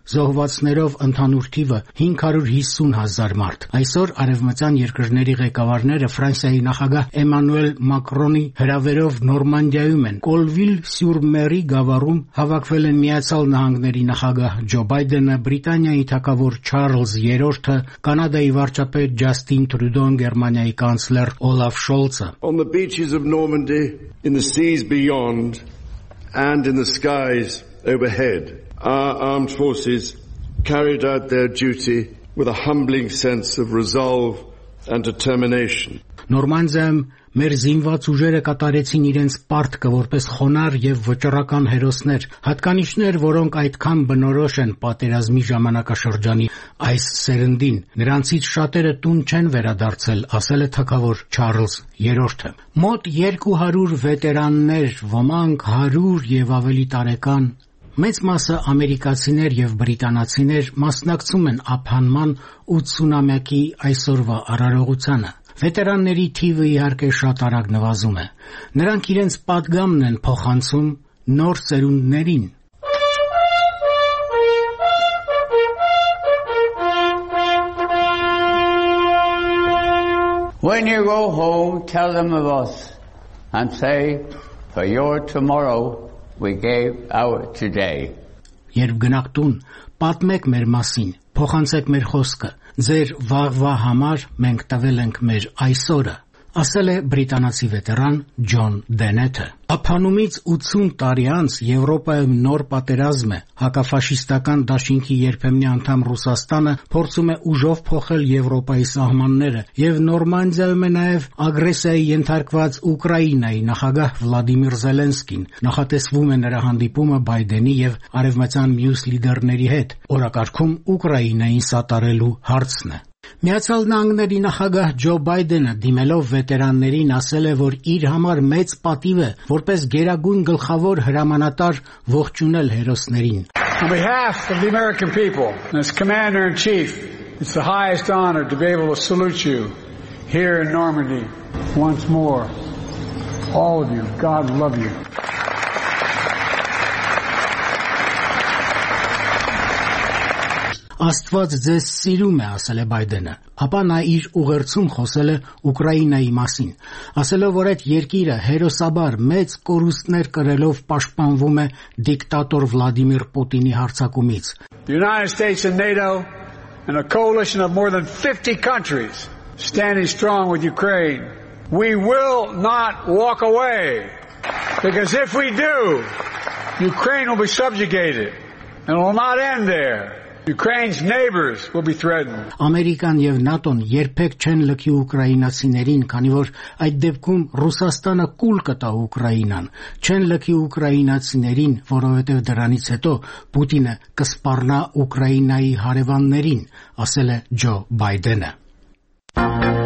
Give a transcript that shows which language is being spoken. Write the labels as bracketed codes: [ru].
[hy] զոհվածներով ընդհանուր թիվը 550 հազար մարդ։ Այսօր արևմտյան երկրների ղեկավարները Ֆրանսիայի նախագահ Էմանուել Մակրոնի հրավերով Նորմանդիայում են, Կոլվիլ Սյուր Մերի գավառում հավաքվել են Միացյալ Նահանգների նախագահ Ջո Բայդենը, Բրիտանիայի թագավոր Չարլզ III-ը, Կանադայի վարչապետ Ջաստին Տրուդոն, Գերմանիայի կանցլեր Օլաֆ Շոլցը։ [en] On the beaches of Normandy, in the seas beyond, and in the skies overhead, our armed forces carried out their duty with a humbling sense of resolve and determination. [hy] Նորմանդիայում մեր զինված ուժերը կատարեցին իրենց պարտքը որպես խոնար և վճռական հերոսներ, հատկանիշներ, որոնք այդքան բնորոշ են պատերազմի ժամանակաշրջանի այս սերնդին։ Նրանցից շատերը տուն չեն վերադարձել, ասել է թագավոր Չարլզ III-ը։ Մոտ 200 վետերաններ, ոմանք 100 և ավելի տարեկան, մեծ մասը ամերիկացիներ և բրիտանացիներ, մասնակցում են ափանման 80-ամյակի այսօրվա արարողությանը։ Վետերանների թիվը իհարկե շատ արագ նվազում է։ Նրանք իրենց պատգամն են փոխանցում նոր սերունդներին։ [en] When you go home, tell them of us and say, for your tomorrow we gave our today. [hy] Երբ գնաք տուն, պատմեք մեր մասին, փոխանցեք մեր խոսքը, ձեր վաղվա համար մենք տվել ենք մեր այսօրը, ասել է բրիտանացի վետերան Ջոն Դենետը։ Ափանումից 80 տարի անց Եվրոպայում նոր պատերազմ է, հակաֆաշիստական դաշինքի երբեմնի անդամ Ռուսաստանը փորձում է ուժով փոխել Եվրոպայի սահմանները, և Նորմանդիայում է նաև ագրեսիայի ենթարկված Ուկրաինայի նախագահ Վլադիմիր Զելենսկին, նախատեսվում է նրա հանդիպումը Բայդենի և արևմտյան մյուս լիդերների հետ, օրակարգում Ուկրաինային սատարելու հարցն է։ Միացյալ Նահանգների նախագահ Ջո Բայդենը դիմելով վետերաններին ասել է, որ իր համար մեծ պատիվ է, որպես գերագույն գլխավոր հրամանատար, ողջունել հերոսներին։ [en] On behalf of the American people, as commander in chief, it's the highest honor to be able to salute you here in Normandy once more. All of you, God love you. [hy] Աստված ձեզ սիրում է, ասել է Բայդենը, ապա նա իր ուղերձում խոսել է Ուկրաինայի մասին, ասելով, որ այդ երկիրը հերոսաբար մեծ կորուստներ կրելով պաշտպանվում է դիկտատոր Վլադիմիր Պուտինի հարձակումից։ [en] The United States and NATO and a coalition of more than 50 countries standing strong with Ukraine. We will not walk away. Because if we do, Ukraine will be subjugated and will not end there. Ukraine's neighbors will be threatened. [hy] Ամերիկան եւ ՆԱՏՕ-ն երբեք չեն լքի ուկրաինացիներին, քանի որ այդ դեպքում Ռուսաստանը կուլ կտա Ուկրաինան։ Չեն լքի ուկրաինացիներին, որովհետեւ դրանից հետո Պուտինը կսպառնա Ուկրաինայի հարևաններին, ասել է Ջո Բայդենը։